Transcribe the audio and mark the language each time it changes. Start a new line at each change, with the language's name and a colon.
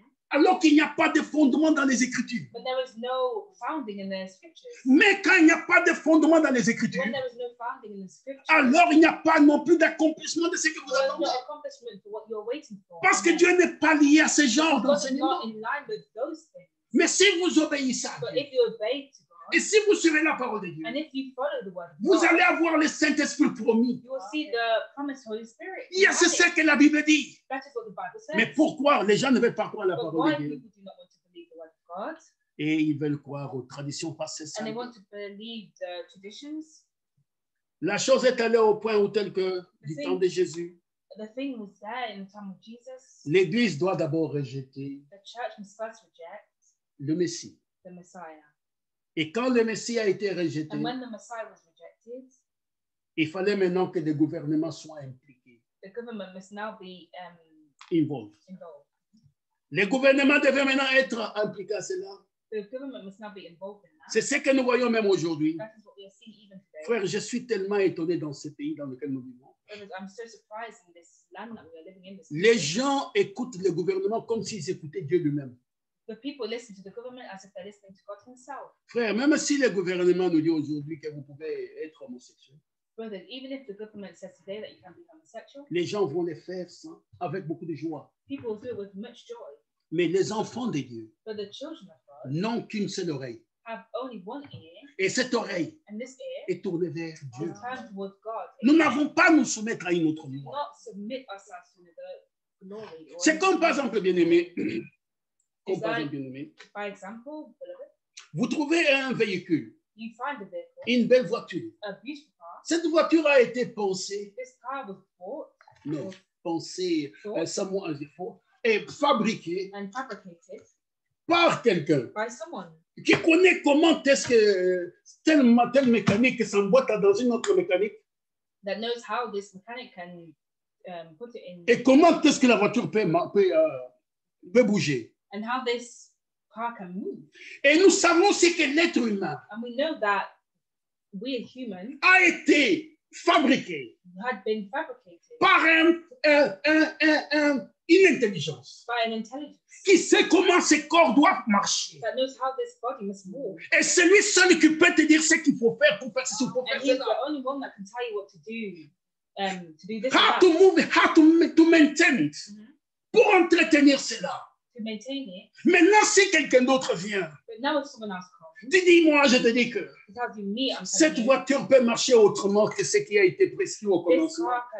French: Alors qu'il n'y a pas de fondement dans les Écritures.
English: But there is no founding in the scriptures.
French: Mais quand il n'y a pas de fondement dans les Écritures,
English: when there is no founding in the scriptures,
French: alors il n'y a pas non plus d'accomplissement de ce que vous
English: well,
French: attendez.
English: No accomplishment for what you're waiting for.
French: Parce que Dieu n'est pas lié à ce genre d'enseignement.
English: God is not in line with those things.
French: Mais si vous obéissez à Dieu,
English: but if you obey to God,
French: et si vous suivez la parole de Dieu,
English: and if you follow the word of God,
French: vous allez avoir le Saint-Esprit promis.
English: You will see the promised Holy Spirit. Yes,
French: c'est ce que la Bible dit.
English: That is what the Bible says.
French: Mais pourquoi les gens ne veulent pas croire la
English: but
French: parole de Dieu?
English: Why people do not want to believe the word of God? God.
French: Et ils veulent croire aux traditions passées.
English: And they want to believe the traditions.
French: La chose est allée au point où tel que du temps de Jésus.
English: The thing was that in the time of Jesus.
French: L'Église doit d'abord rejeter.
English: The church must first reject.
French: Le Messie.
English: The Messiah.
French: Et quand le Messie a été rejeté.
English: And when the Messiah was rejected.
French: Il fallait maintenant que les gouvernements soient impliqués.
English: The government must now be involved. Involved.
French: Les gouvernements devaient maintenant être impliqués à cela.
English: The government must now be involved in that.
French: C'est ce que nous voyons même aujourd'hui.
English: That is what we are seeing even today.
French: Frère, je suis tellement étonné dans ce pays dans lequel nous vivons.
English: I'm so surprised in this land that we are living in. This
French: les gens écoutent le gouvernement comme s'ils écoutaient Dieu lui-même.
English: The people listen to the government as if they're listening to God himself.
French: Frère, même si le gouvernement nous dit aujourd'hui que vous pouvez être homosexuel.
English: Brother, even if the government says today that you can't be homosexual,
French: les gens vont les faire ça avec beaucoup de joie.
English: People will do it with much joy.
French: Mais les enfants de Dieu
English: but the children of God
French: n'ont qu'une seule oreille.
English: Have only one ear.
French: Et cette oreille
English: and this ear
French: est tournée vers Dieu.
English: Turned toward God.
French: Nous n'avons pas à nous soumettre à une autre loi.
English: Not submit ourselves to another glory.
French: C'est comme par exemple, bien-aimé.
English: By example,
French: vous trouvez un véhicule.
English: You find a vehicle,
French: une belle voiture.
English: A beautiful car.
French: Cette voiture a été pensée.
English: This car was bought.
French: Non, pensée.
English: Thought, someone as it for.
French: Et fabriquée.
English: And fabricated.
French: Par quelqu'un.
English: By someone.
French: Qui connaît comment est-ce que telle mécanique s'emboîte dans une autre mécanique.
English: That knows how this mechanic can put it in.
French: Et comment est-ce que la voiture peut bouger.
English: And how this car can move.
French: Et nous savons ce que l'être humain
English: and we know that we are human
French: a été fabriqué
English: had been fabricated
French: par une intelligence
English: by an intelligence
French: qui sait comment ce corps doit marcher
English: that knows how this body must move.
French: Et c'est lui seul qui peut te dire ce qu'il faut faire pour faire ce qu'il faut faire.
English: And he's the only one that can tell you what to do, to do this how to move it, how to maintain it mm-hmm.
French: pour entretenir cela. Maintenant, si quelqu'un d'autre vient, dis-moi, je te dis que cette voiture peut marcher autrement que ce qui a été prescrit au commencement.